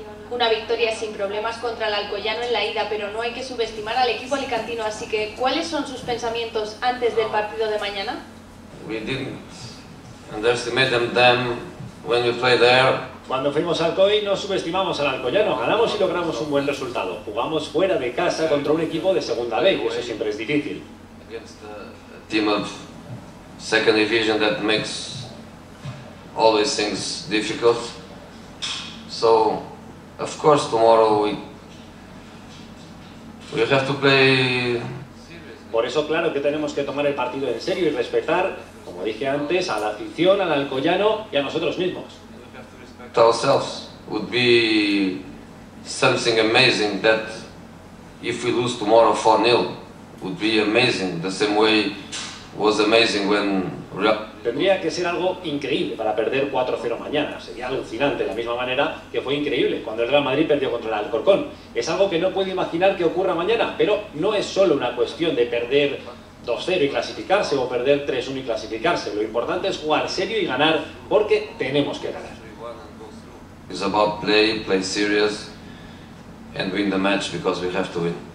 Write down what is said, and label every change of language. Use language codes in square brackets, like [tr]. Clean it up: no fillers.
[es] Una victoria sin problemas contra el Alcoyano en la ida, pero no hay que subestimar al equipo alicantino. Así que, ¿cuáles son sus pensamientos antes del partido de mañana? [en] We didn't underestimate them when we played there. [es] Cuando fuimos al Alcoy no subestimamos al Alcoyano, ganamos y logramos un buen resultado. Jugamos fuera de casa contra un equipo de segunda B, eso siempre es difícil. [en] Team of second division that makes always things difficult. So, of course, tomorrow we have to play. [es] Por eso, claro que tenemos que tomar el partido en serio y respetar, como dije antes, a la afición, al Alcoyano y a nosotros mismos. [en] To ourselves would be something amazing that if we lose tomorrow 4-0 would be amazing. The same way. Was amazing when... [es] Tendría que ser algo increíble para perder 4-0 mañana. Sería alucinante, de la misma manera que fue increíble cuando el Real Madrid perdió contra el Alcorcón. Es algo que no puedo imaginar que ocurra mañana, pero no es solo una cuestión de perder 2-0 y clasificarse o perder 3-1 y clasificarse. Lo importante es jugar serio y ganar, porque tenemos que ganar. [en] It's about play serious and win the match because we have to win.